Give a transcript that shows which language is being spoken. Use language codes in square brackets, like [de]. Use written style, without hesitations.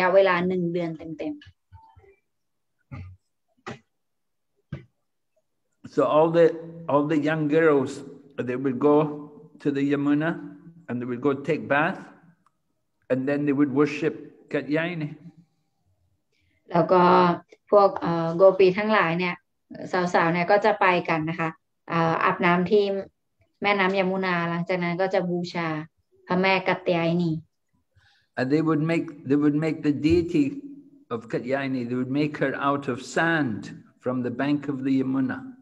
[th] แล้วพวกโกปีนะคะก็กินอาหารแบบนี้นะคะไม่ใส่แม้แต่ขมิ้นด้วยนะคะไม่ใส่อะไรเลยเนี่ยเป็นระยะเวลาหนึ่งเดือนเต็มๆ [en] So all the young girls, they would go to the Yamuna and they would go take bath and then they would worship Katyayini. [th] แล้วก็พวกโกปีทั้งหลายเนี่ยสาวๆเนี่ยก็จะไปกันนะคะอาบน้ำที่แม่น้ำยมุนาหลังจากนั้นก็จะบูชาพระแม่กัตยายนี [en] And they would make the deity of Katyayini, they would make her out of sand from the bank of the Yamuna.